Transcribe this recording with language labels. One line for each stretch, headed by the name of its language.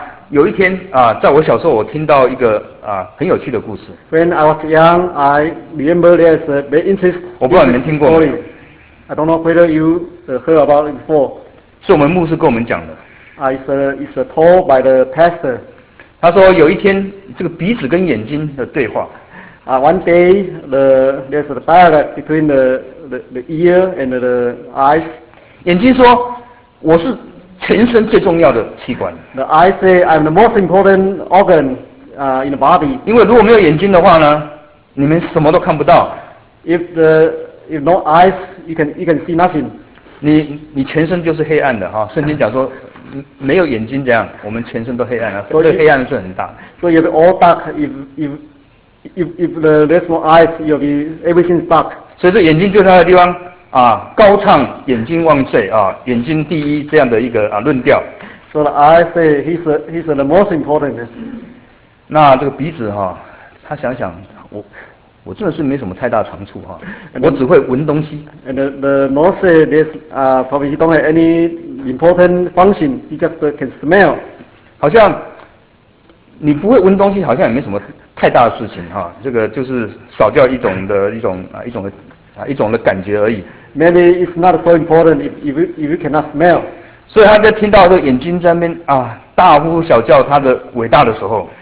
Chinese: 有一天在我小时候，我听到一个很有趣的故事。
English: When I was young, I remember there's a very interesting.
Chinese: 我不知道你们听过没
English: 有。I don't know whether you heard about it before.
Chinese: 是我们牧师跟我们讲的。
English: It's told by the pastor.
Chinese: 他说有一天这个鼻子跟眼睛的对话。
English: One day there's a dialogue between the ear and the eyes.
Chinese: 眼睛说我是全身最重要的器官。
English: The eye say I'm the most important organ, in the body.
Chinese: 因为如果没有眼睛的话呢，你们什么都看不到。
English: If no eyes, you can see nothing.
Chinese: 你全身就是黑暗的哈、哦。圣经讲说，没有眼睛这样，我们全身都黑暗了。所以黑暗是很大。
English: So you're all dark. If there's no eyes, you'll be everything dark.
Chinese: 所以这眼睛就是它的地方。高唱眼睛万岁啊，眼睛第一这样的一个论调。
English: So the eye say he's the most important.
Chinese: 那这个鼻子哈、他想想，我真的是没什么太大长处哈、我只会闻东西。
English: And the nose say this probably he don't have any important function. He just can smell.
Chinese: 好像你不会闻东西，好像也没什么太大的事情哈、这个就是少掉一种的感觉而已。
English: Maybe it's not so important if you cannot smell.
Chinese: 所以他在听到这眼睛在那边大呼小叫他的伟大的时候。